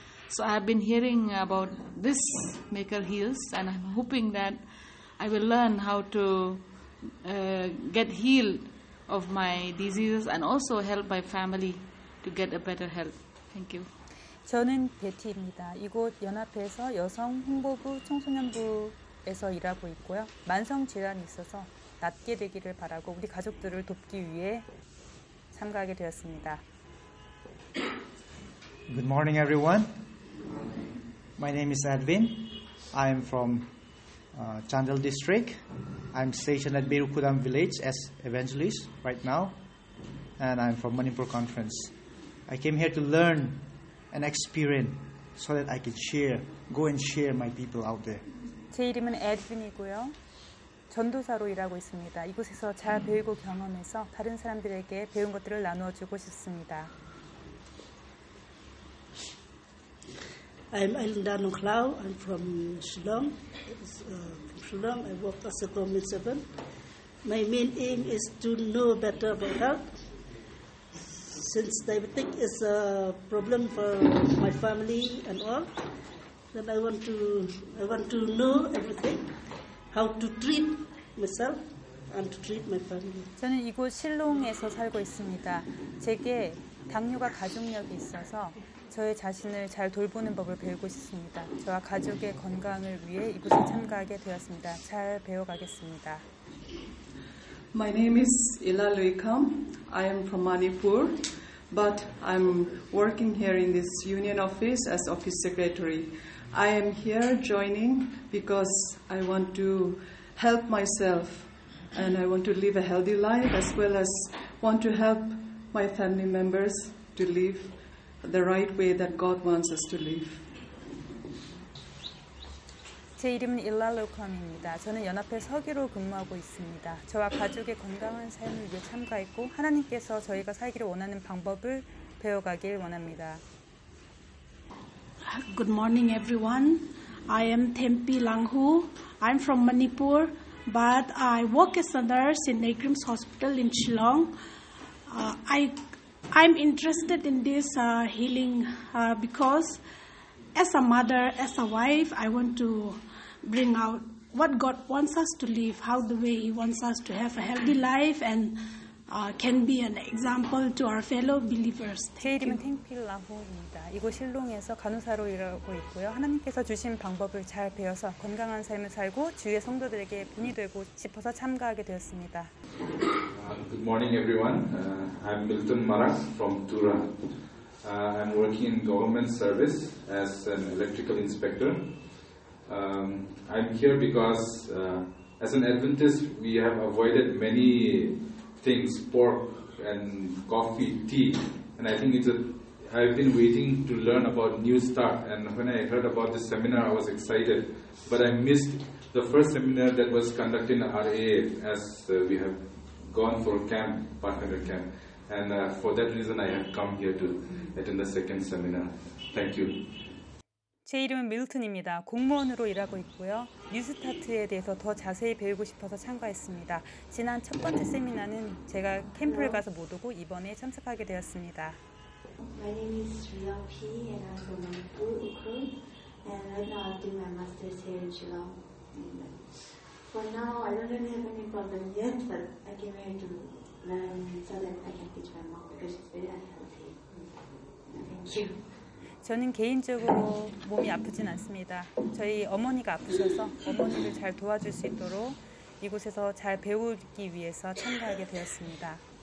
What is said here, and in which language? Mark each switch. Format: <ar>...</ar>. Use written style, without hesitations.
<en>So I have been hearing about this Maker Heals, and I'm hoping that I will learn how to get healed of my diseases and also help my family to get a better health. Thank you.</en> <ko>저는 베티입니다. 이곳 연합회에서 여성 홍보부 청소년부에서 일하고 있고요. 만성 질환이 있어서 낫게 되기를 바라고 우리 가족들을 돕기 위해 참가하게 되었습니다.</ko> <en>Good morning, everyone. My name is Edwin. I am from Chandel District. I'm stationed at Birukudam Village as evangelist right now, and I'm from Manipur Conference. I came here to learn an experience so that I can share, go and share my people out there.</en> <ko>제 이름은 에드윈이고요. 전도사로 일하고 있습니다. 이곳에서 잘 배우고 경험해서 다른 사람들에게 배운 것들을 나누어 주고 싶습니다.</ko> <en>I'm Alinda Nongklau. I'm from Shillong. Shillong, I work as a government servant. My main aim is to know better about health. Since diabetic is a problem for my family and all, then I want to know everything, how to treat myself and to treat my family.</en> <ko>저는 이곳 실롱에서 살고 있습니다. 제게 당뇨가 가족력이 있어서 저의 자신을 잘 돌보는 법을 배우고 싶습니다. 저와 가족의 건강을 위해 이곳에 참가하게 되었습니다. 잘 배워가겠습니다.</ko> <en>My name is Ila Luikam. I am from Manipur, but I'm working here in this union office as office secretary. I am here joining because I want to help myself and I want to live a healthy life as well as want to help my family members to live the right way that God wants us to live.</en> <ko>제 이름은 일랄로컴입니다. 저는 연합회 서기로 근무하고 있습니다. 저와 가족의 건강한 삶을 위해 참가했고 하나님께서 저희가 살기를 원하는 방법을 배워가길 원합니다.</ko> <en>Good morning, everyone. I am Tempi Langhu. I'm from Manipur, but I work as a nurse in Nagrim's Hospital in Shillong. I'm interested in this healing because as a mother, as a wife, I want to bring out what God wants us to live, how the way He wants us to have a healthy life and can be an example to our fellow believers.</en> <ko>제 이름은 탱필 라호입니다. 이곳 실롱에서 간호사로 일하고 있고요. 하나님께서 주신 방법을 잘 배워서 건강한 삶을 살고 주위의 성도들에게 본이 되고 싶어서 참가하게 되었습니다.</ko> <en>Good morning, everyone. I'm Milton Marak from Tura. I'm working in government service as an electrical inspector. I'm here because as an Adventist, we have avoided many things, pork and coffee, tea, and I think I've been waiting to learn about New Start, and when I heard about this seminar, I was excited, but I missed the first seminar that was conducted in RAA as we have gone for camp, partner camp, and for that reason, I have come here to attend the second seminar. Thank you.</en> <ko>제 이름은 밀튼입니다. 공무원으로 일하고 있고요. 뉴스타트에 대해서 더 자세히 배우고 싶어서 참가했습니다. 지난 첫 번째 세미나는 제가 캠프를 가서 못 오고 이번에 참석하게 되었습니다.</ko> <en>My name is Shilong P and I'm from Manipur, Ukraine. And right now I'm doing my master's here in Shilong. For now, I don't really have any problem yet, but I came here to learn so that I can teach my mom because she's very unhealthy. Thank you.</en> <ko>저는 개인적으로 몸이 아프진 않습니다. 저희 어머니가 아프셔서 어머니를 잘 도와줄 수 있도록 이곳에서 잘 배우기 위해서 참가하게 되었습니다.</ko>